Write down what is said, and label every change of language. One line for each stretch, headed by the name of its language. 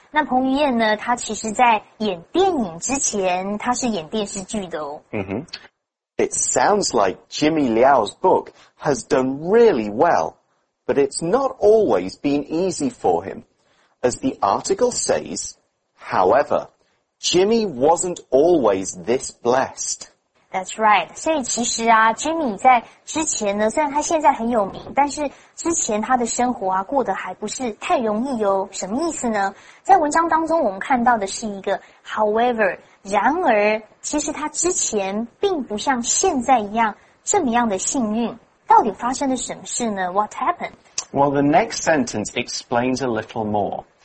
Chinese: 那彭于晏呢，他其实在演电影之前他是演电视剧的哦。 Mm-hmm.
English: It sounds like Jimmy Liao's book has done really well, but it's not always been easy for him. As the article says, however, Jimmy wasn't always this blessed. That's right.
Chinese: 所以其实啊 ,Jimmy 在之前呢，虽然他现在很有名，但是之前他的生活啊过得还不是太容易哦。什么意思呢？在文章当中我们看到的是一个 however, 然而其实他之前并不像现在一样这么样的幸运。到底发生了什么事呢 ?
English: What happened? Well, the next sentence explains a little more.